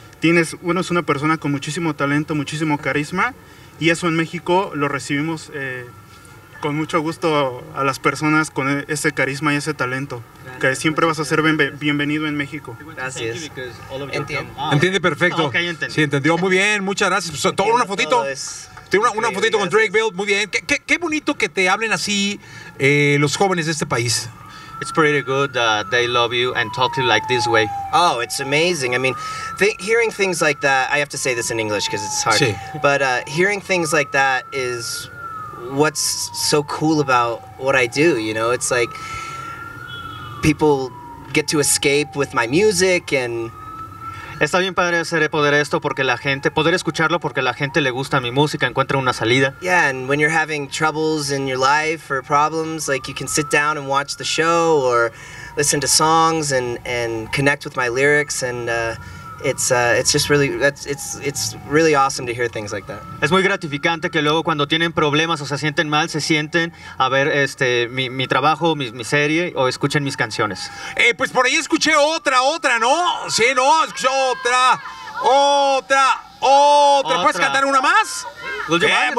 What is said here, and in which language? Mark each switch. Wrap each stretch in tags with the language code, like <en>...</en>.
<es>Es una persona con muchísimo talento, muchísimo carisma, y eso en México lo recibimos con mucho gusto a las personas con ese carisma y ese talento. Gracias. Que siempre vas a ser bienvenido en México. Gracias. Entiende perfecto. Ok, entendí. Sí, entendió. Muy bien, muchas gracias. Pues, toma una fotito. Tiene una fotito con Drake Bell. Muy bien. Qué bonito que te hablen así los jóvenes de este país.</es> <en>It's pretty good that they love you and talk to you like this way. Oh, it's amazing. I mean, Hearing things like that, I have to say this in English because it's hard.</en> <es>Sí.</es> <en>But hearing things like that is what's so cool about what I do. You know, it's like people get to escape with my music and.</en> <es>Está bien padre hacer poder esto porque la gente poder escucharlo porque la gente le gusta mi música, encuentra una salida.</es> <en>Yeah, and when you're having troubles in your life or problems, like you can sit down and watch the show or listen to songs and connect with my lyrics and it's really awesome to hear things like that.</en> <es>Es muy gratificante que luego cuando tienen problemas o se sienten mal, se sienten a ver mi trabajo, mi serie o escuchen mis canciones. Pues por ahí escuché otra, ¿no? Sí, no, escuché otra. ¿Puedes cantar una más? Muy bien.</es>